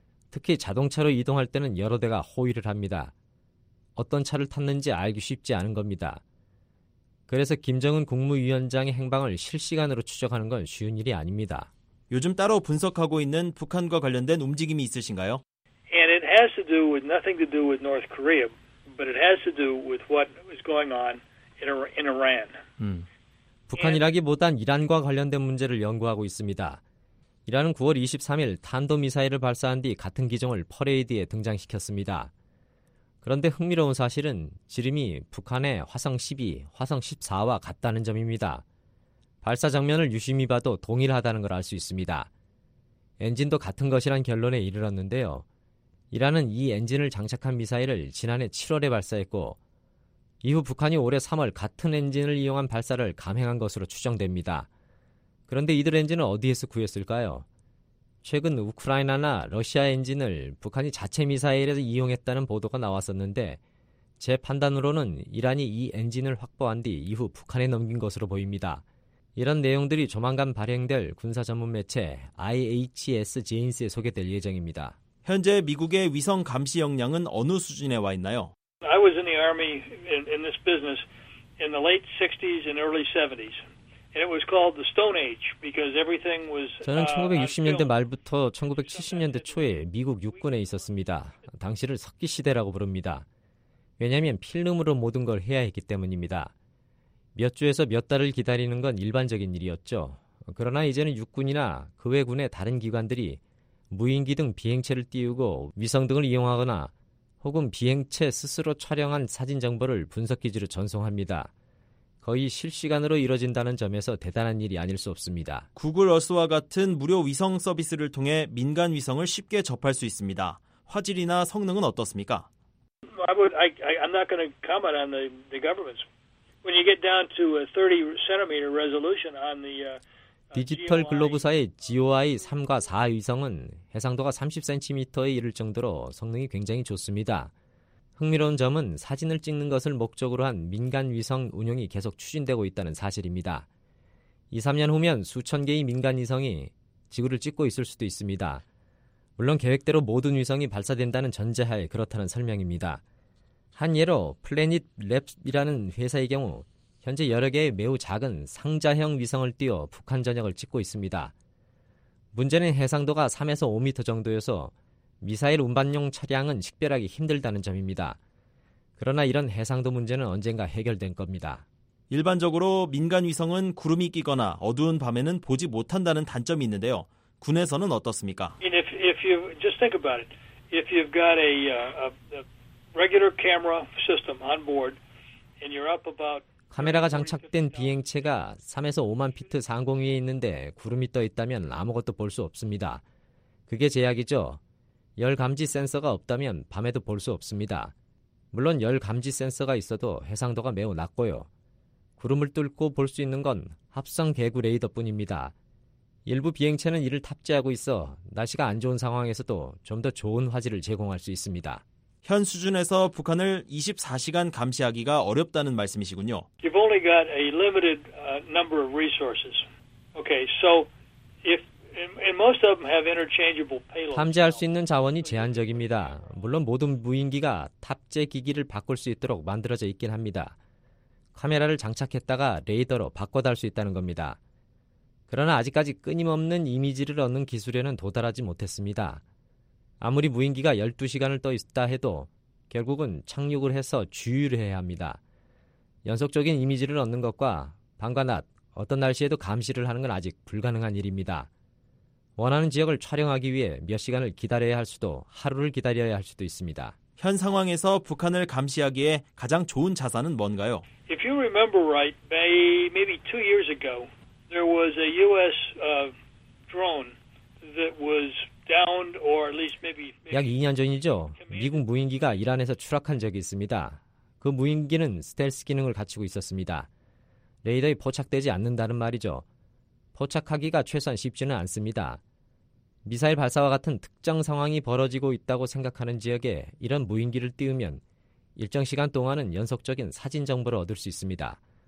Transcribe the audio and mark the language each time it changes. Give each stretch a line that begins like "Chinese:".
Korean: 특히 자동차로 이동할 때는 여러 대가 호위를 합니다. 어떤 차를 탔는지 알기 쉽지 않은 겁니다. 그래서 김정은 국무위원장의 행방을 실시간으로 추적하는 건 쉬운 일이 아닙니다. 요즘 따로 분석하고 있는 북한과 관련된 움직임이 있으신가요?
English: And it has to do with nothing to do with North Korea, but it has to do with what is going on in Iran.
Korean: 북한이라기보단 이란과 관련된 문제를 연구하고 있습니다. 이란은 9월 23일 탄도미사일을 발사한 뒤 같은 기종을 퍼레이드에 등장시켰습니다. 그런데 흥미로운 사실은 지름이 북한의 화성 12, 화성 14와 같다는 점입니다. 발사 장면을 유심히 봐도 동일하다는 걸 알 수 있습니다. 엔진도 같은 것이란 결론에 이르렀는데요. 이란은 이 엔진을 장착한 미사일을 지난해 7월에 발사했고 이후 북한이 올해 3월 같은 엔진을 이용한 발사를 감행한 것으로 추정됩니다. 그런데 이들 엔진은 어디에서 구했을까요? 최근 우크라이나나 러시아 엔진을 북한이 자체 미사일에서 이용했다는 보도가 나왔었는데 제 판단으로는 이란이 이 엔진을 확보한 뒤 이후 북한에 넘긴 것으로 보입니다. 이런 내용들이 조만간 발행될 군사 전문 매체 IHS 제인스에 소개될 예정입니다. 현재 미국의 위성 감시 역량은 어느 수준에 와 있나요?
English: I was in the army in this business in the late 60s and early 70s. And it was called the Stone Age because everything was
Korean: 저는 1960년대 말부터 1970년대 초에 미국 육군에 있었습니다. 당시를 석기 시대라고 부릅니다. 왜냐하면 필름으로 모든 걸 해야 했기 때문입니다. 몇 주에서 몇 달을 기다리는 건 일반적인 일이었죠. 그러나 이제는 육군이나 그 외 군의 다른 기관들이 무인기 등 비행체를 띄우고 위성 등을 이용하거나 혹은 비행체 스스로 촬영한 사진 정보를 분석기지로 전송합니다. 거의 실시간으로 이뤄진다는 점에서 대단한 일이 아닐 수 없습니다. 구글 어스와 같은 무료 위성 서비스를 통해 민간 위성을 쉽게 접할 수 있습니다. 화질이나 성능은 어떻습니까?
English: I'm not going to comment on the government's. When you get down to a 30 centimeter resolution on the
Korean: 디지털 글로브사의 GOI 3과 4 위성은 해상도가 30cm에 이를 정도로 성능이 굉장히 좋습니다. 흥미로운 점은 사진을 찍는 것을 목적으로 한 민간 위성 운영이 계속 추진되고 있다는 사실입니다. 2, 3년 후면 수천 개의 민간 위성이 지구를 찍고 있을 수도 있습니다. 물론 계획대로 모든 위성이 발사된다는 전제하에 그렇다는 설명입니다. 한 예로 플래닛 랩이라는 회사의 경우 현재 여러 개의 매우 작은 상자형 위성을 띄워 북한 전역을 찍고 있습니다. 문제는 해상도가 3에서 5미터 정도여서 미사일 운반용 차량은 식별하기 힘들다는 점입니다. 그러나 이런 해상도 문제는 언젠가 해결된 겁니다. 일반적으로 민간 위성은 구름이 끼거나 어두운 밤에는 보지 못한다는 단점이 있는데요. 군에서는 어떻습니까?
English: If you just think about it, if you've got a regular camera system on board and you're up about
Korean: 카메라가 장착된 비행체가 3에서 5만 피트 상공 위에 있는데 구름이 떠 있다면 아무것도 볼 수 없습니다. 그게 제약이죠. 열 감지 센서가 없다면 밤에도 볼 수 없습니다. 물론 열 감지 센서가 있어도 해상도가 매우 낮고요. 구름을 뚫고 볼 수 있는 건 합성 개구 레이더뿐입니다. 일부 비행체는 이를 탑재하고 있어 날씨가 안 좋은 상황에서도 좀 더 좋은 화질을 제공할 수 있습니다. 현 수준에서 북한을 24시간 감시하기가 어렵다는 말씀이시군요.
English: You've only got a limited number of resources. Okay, so if and most of them have interchangeable payloads.
Korean: 탐지할 수 있는 자원이 제한적입니다. 물론 모든 무인기가 탑재 기기를 바꿀 수 있도록 만들어져 있긴 합니다. 카메라를 장착했다가 레이더로 바꿔 달 수 있다는 겁니다. 그러나 아직까지 끊임없는 이미지를 얻는 기술에는 도달하지 못했습니다. 아무리 무인기가 12시간을 떠 있다 해도 결국은 착륙을 해서 주유를 해야 합니다. 연속적인 이미지를 얻는 것과 밤과 낮 어떤 날씨에도 감시를 하는 건 아직 불가능한 일입니다. 원하는 지역을 촬영하기 위해 몇 시간을 기다려야 할 수도 하루를 기다려야 할 수도 있습니다. 현 상황에서 북한을 감시하기에 가장 좋은 자산은 뭔가요?
English: If you remember right, maybe 2 years ago, there was a U.S. drone that was downed, or at least maybe.
Korean: 약 2년 전이죠. 미국 무인기가 이란에서 추락한 적이 있습니다. 그 무인기는 스텔스 기능을 갖추고 있었습니다. 레이더에 포착되지 않는다는 말이죠. 포착하기가 최소한 쉽지는 않습니다. 미사일 발사와 같은 특정 상황이 벌어지고 있다고 생각하는 지역에 이런 무인기를 띄우면 일정 시간 동안은 연속적인 사진 정보를 얻을 수 있습니다.